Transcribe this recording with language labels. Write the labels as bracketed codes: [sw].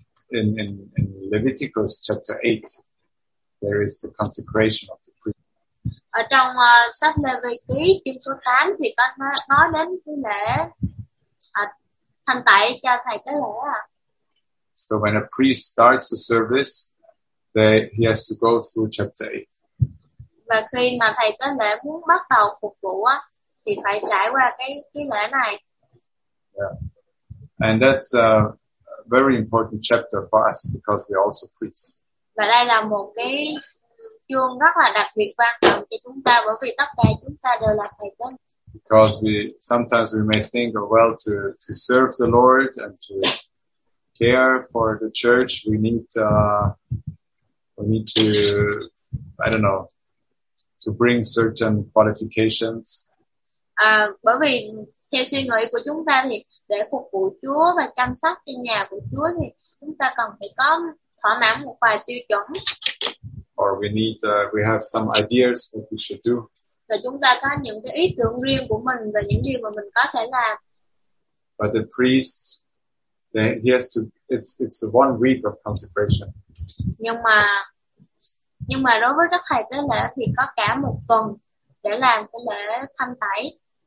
[en] In Leviticus chapter 8, there is the consecration of the priest. [vi] Ở trong sách Lê-vi-ký chương số 8 thì có nói đến cái lễ thanh tẩy cho thầy tế lễ. [en] So when a priest starts the service, he has to go through chapter 8. [vi] Và khi mà thầy tế lễ muốn bắt đầu phục vụ á, thì phải trải qua cái lễ này. [en] Yeah. And that's a very important chapter for us because we are also priests. [vi] Và đây là một cái chương rất là đặc biệt quan trọng cho chúng ta bởi vì tất cả chúng ta đều là thầy tế. [en] Because sometimes we may think of, well, to serve the Lord and to care for the church, we need to, I don't know, to bring certain qualifications. [vi] Bởi vì theo suy nghĩ của chúng ta thì để phục vụ Chúa và chăm sóc cho nhà của Chúa thì chúng ta cần phải có thỏa mãn một vài tiêu chuẩn. [en] Or we have some ideas what we should do. [vi] Và chúng ta có những cái ý tưởng riêng của mình về những điều mà mình có thể làm. [en] But the priest, he has to, it's the 1 week of consecration. [vi] Nhưng mà đối với các thầy tế lễ thì có cả một tuần để làm cái lễ thanh tẩy.